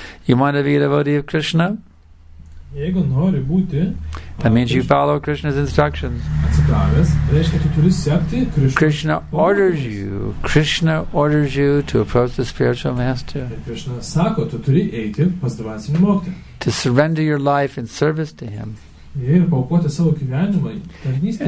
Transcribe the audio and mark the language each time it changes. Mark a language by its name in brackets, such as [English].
[English] You want to be a devotee of Krishna? [Lithuanian] Jeigu nori būti, [English] that means you follow Krishna's instructions. [Lithuanian] Atsidavęs, reiškia, tu turi sekti Krishna. [English] Krishna orders you. Krishna orders you to approach the spiritual master. [Lithuanian] Krishna sako, tu turi eiti pas dvasinį mokytoją. [English] To surrender your life in service to him. [Lithuanian] Ir paaukoti savo gyvenimą tarnystėje.